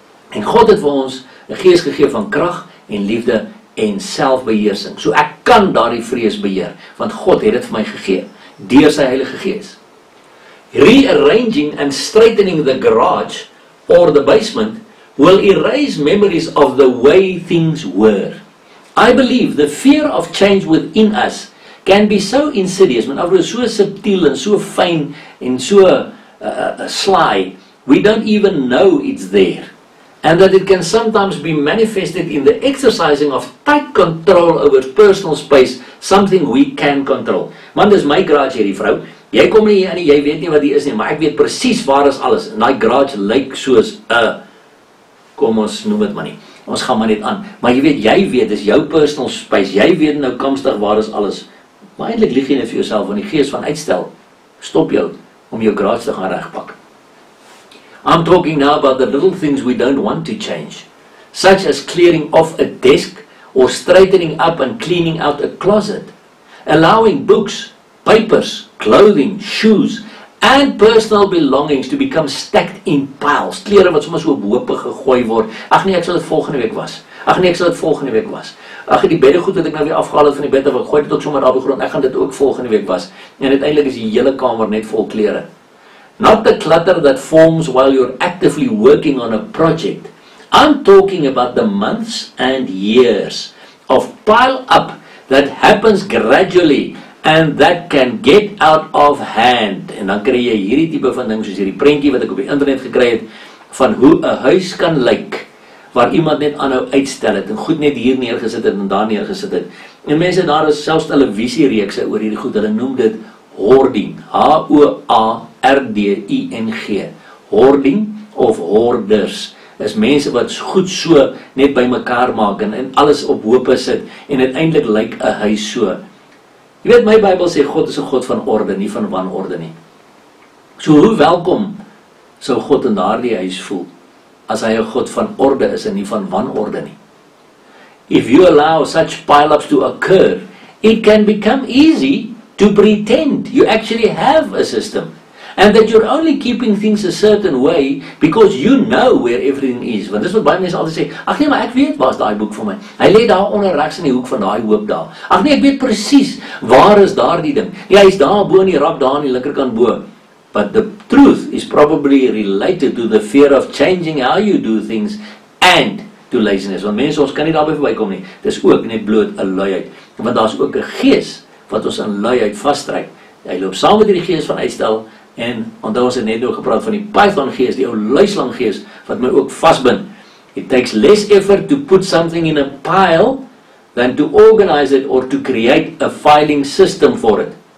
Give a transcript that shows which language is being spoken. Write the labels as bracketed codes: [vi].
[af] En God het vir ons 'n gees gegee van krag en liefde en selfbeheersing. So ek kan daardie vrees beheer, want God het dit vir my gegee deur sy Heilige Gees. [en] Rearranging and straightening the garage or the basement will erase memories of the way things were. I believe the fear of change within us can be so insidious, [af] maar ook so subtiel en so fyn en so sly, [en] we don't even know it's there. And that it can sometimes be manifested in the exercising of tight control over personal space, something we can control. [af] Man, dis my garage hierdie vrou. Jy kom nie hier in, jy weet nie wat hier is nie, maar ek weet presies waar is alles. En daai garage lyk soos 'n kom ons noem dit maar nie. Ons gaan maar net aan. Maar jy weet dis jou personal space. Jy weet nou komstig waar is alles. Maar eintlik lieg jy net vir jouself, want die gees van uitstel stop jou om jou garage te gaan regpak. [en] I'm talking now about the little things we don't want to change, such as clearing off a desk or straightening up and cleaning out a closet, allowing books, papers, clothing, shoes and personal belongings to become stacked in piles. [af] Klere wat sommer so op hope gegooi word. Ag nee, ek sal dit volgende week was. Ag nee, ek sal dit volgende week was. Ag die beddegoed wat ek nou weer afgehaal het van die bed en wat gooi dit ook sommer daar op die grond. Ek gaan dit ook volgende week was. En uiteindelik is die hele kamer net vol klere. [en] Not the clutter that forms while you're actively working on a project, I'm talking about the months and years of pile up that happens gradually and that can get out of hand. [af] En dan kry jy hierdie tipe van ding, soos hierdie prentjie wat ek op die internet gekry het, van hoe 'n huis kan lyk, waar iemand net aanhou uitstel het, en goed net hier neergesit het, en daar neergesit het. En mense, daar is selfs televisiereekse oor hierdie goed, hulle noem dit hoarding, H-O-A-R-D-I-N-G, hoarding of hoarders, is mense wat goed so net by mekaar maak, en alles op hope sit, en uiteindelik lyk 'n huis so. Jy weet, my Bybel sê, God is 'n God van orde, nie van wanorde nie. So hoe welkom sou God in daardie huis voel, as hy 'n God van orde is en nie van wanorde nie. [en] If you allow such pile-ups to occur, it can become easy to pretend you actually have a system and that you're only keeping things a certain way because you know where everything is. [af] Want dis wat baie mense altyd sê, ag nee, maar ek weet waar is daai boek vir my. Hy lê daar onder regs in die hoek van daai hoop daar. Ag nee, ek weet presies waar is daardie ding. Ja, hy is daar bo in die rak daar aan die linkerkant bo. [en] But the truth is probably related to the fear of changing how you do things and to laziness. [af] Want mense, ons kan nie daarby verbykom nie. Dis ook net bloot 'n luiheid. Want daar's ook 'n gees wat ons in luiheid vastryk. Hy loop saam met die gees van uitstel en onthou ons het net nou gepraat van die Python gees, die ou luislang gees wat my ook vasbind. [en] It takes less effort to put something in a pile than to organize it or to create a filing system for it.